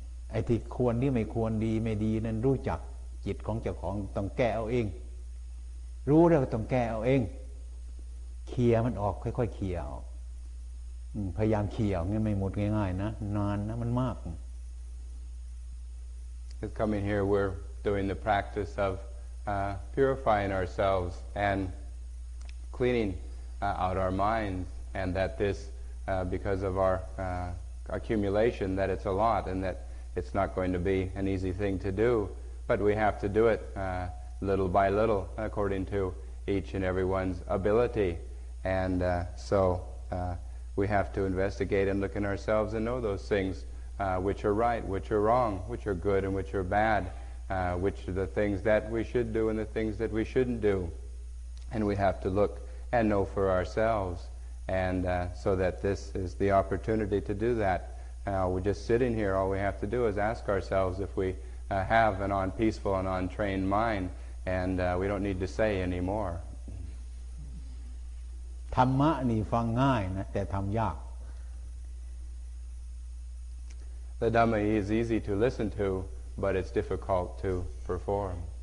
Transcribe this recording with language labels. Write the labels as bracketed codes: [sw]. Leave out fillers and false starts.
[th] ไอ้ที่ควรที่ไม่ควรดีไม่ดีนั้นรู้จักจิตของเจ้าของต้องแก้เอาเองรู้แล้วก็ต้องแก้เอาเองเคลียร์มันออกค่อยๆเคลียร์ออกพยายามเคลียร์งั้นไม่หมดง่ายๆนะนานนะมันมาก [en] Coming here, we're doing the practice of purifying ourselves and cleaning out our minds, and that this, because of our accumulation, that it's a lot, and that it's not going to be an easy thing to do. But we have to do it little by little, according to each and everyone's ability. And so we have to investigate and look in ourselves and know those things. Which are right, which are wrong, which are good and which are bad, which are the things that we should do and the things that we shouldn't do. And we have to look and know for ourselves. And so that this is the opportunity to do that. We're just sitting here. All we have to do is ask ourselves if we have an unpeaceful and untrained mind. And we don't need to say any more. [th] ธรรมะนี่ฟังง่ายนะแต่ทำยาก [en] The Dhamma is easy to listen to, but it's difficult to perform.